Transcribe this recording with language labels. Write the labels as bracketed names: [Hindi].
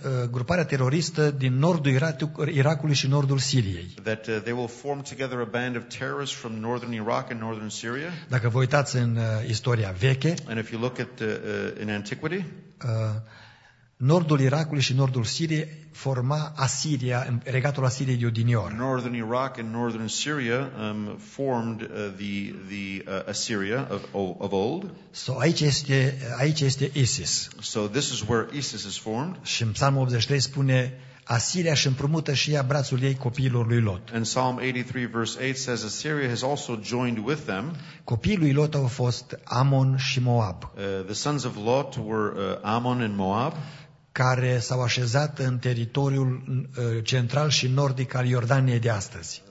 [Romanian] Gruparea teroristă din nordul Irakului și nordul Siriei. [English] That they will form together a band of terrorists from northern Iraq and northern Syria. [Romanian] Dacă vă uitați în istoria veche, [English] and if you look at in antiquity, [Romanian] nordul Irakului și nordul Siriei forma Asiria, regatul Asiriei de odinioară. [English] Northern Iraq and northern Syria formed the Assyria of old. [Romanian] So aici este ISIS. [English] So this is where ISIS is formed. [Romanian] Și în Psalmul 83 spune Asiria își împrumută și ea brațul ei copiilor lui Lot. [English] And Psalm 83 verse 8 says Assyria has also joined with them. [Romanian] Copiii lui Lot au fost Amon și Moab. [English] The sons of Lot were Amon and Moab, [Romanian] care s-au așezat în teritoriul central și nordic al Iordaniei de astăzi.